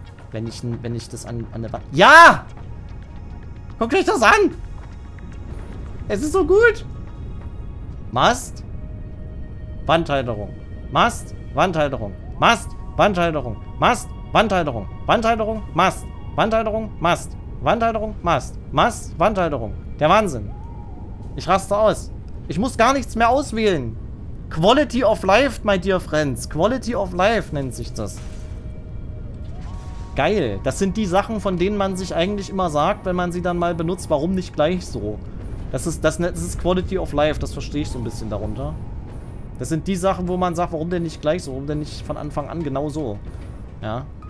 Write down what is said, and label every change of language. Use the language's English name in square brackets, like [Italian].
[German] Wenn ich das an der Wand... Ja! Guckt euch das an! Es ist so gut! Mast. Wandhalterung. Mast. Wandhalterung. Mast. Wandhalterung. Mast. Wandhalterung. Wandhalterung. Mast. Wandhalterung, Mast. Wandhalterung, Mast. Mast, Wandhalterung. Der Wahnsinn. Ich raste aus. Ich muss gar nichts mehr auswählen. [English] Quality of Life, my dear friends. [German] Quality of Life nennt sich das. Geil. Das sind die Sachen, von denen man sich eigentlich immer sagt, wenn man sie dann mal benutzt, warum nicht gleich so? Das ist Quality of Life, das verstehe ich so ein bisschen darunter. Das sind die Sachen, wo man sagt, warum denn nicht gleich so? Warum denn nicht von Anfang an genau so? Ja.